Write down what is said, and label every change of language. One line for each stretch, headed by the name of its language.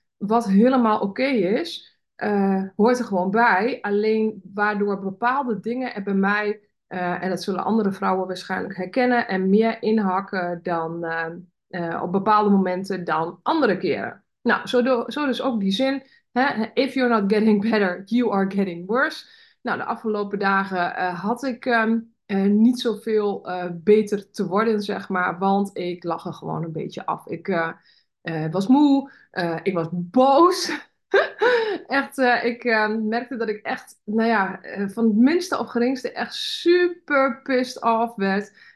Dutch: Wat helemaal oké is, hoort er gewoon bij. Alleen waardoor bepaalde dingen er bij mij, en dat zullen andere vrouwen waarschijnlijk herkennen, en meer inhakken dan op bepaalde momenten dan andere keren. Nou, zo dus ook die zin. Hè?
English: If you're not getting better, you are getting worse.
Dutch: Nou, de afgelopen dagen had ik niet zoveel beter te worden, zeg maar. Want ik lag er gewoon een beetje af. Ik was moe. Ik was boos. Echt, ik merkte dat ik echt, nou ja, van het minste op geringste echt super
English: pissed off
Dutch: werd.